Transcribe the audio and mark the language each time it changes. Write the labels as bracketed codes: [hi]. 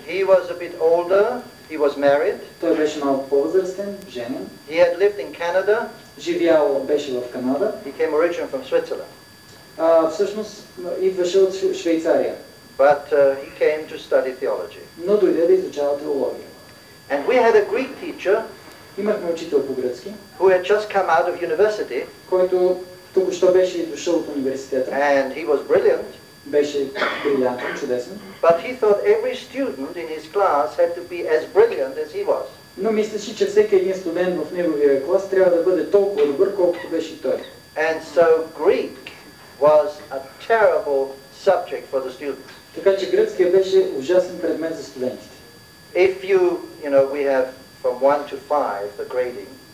[en] He was a bit older, he was married. [bg] Той беше малко по-възрастен, женен. [en] He had lived in Canada. [bg] Живял беше в Канада. [en] He came originally from Switzerland. [bg] Всъщност идваше от Швейцария. [en] But he came to study theology. [bg] Но дойде да изучава теология. [en] And we had a Greek teacher. [bg] Имахме учител по гръцки. [en] Who had just come out of university. [bg] Който току-що беше дошъл от университета. [en] And he was brilliant. [bg] Беше брилянтен, чудесен. [en] But he thought every student in his class had to be as brilliant as he was. [bg] Но мислеше, че всеки един студент в неговия клас трябва да бъде толкова добър, колкото беше той. [en] And so Greek was a terrible subject for the students. [bg] Така че гръцкият беше ужасен предмет за студентите. [en] If you know, we have from 1 to 5 the grading.